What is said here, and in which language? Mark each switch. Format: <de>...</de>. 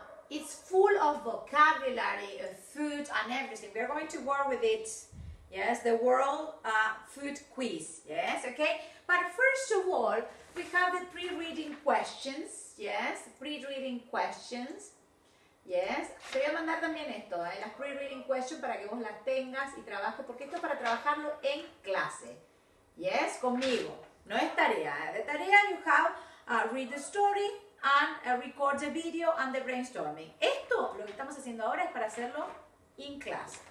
<en>It's full of vocabulary, of food and everything. We're going to work with it, yes, the world food quiz, yes, okay? But first of all, we have the pre-reading questions, yes, pre-reading questions, yes.</en> <es>Te voy a mandar también esto, las pre-reading questions para que vos las tengas y trabajes, porque esto es para trabajarlo en clase,</es> <en>yes,</en> <es>conmigo. No es tarea.</es> <en>The tarea you have read the story and record the video and the brainstorming.</en> <es>Esto, lo que estamos haciendo ahora es para hacerlo in class.</es>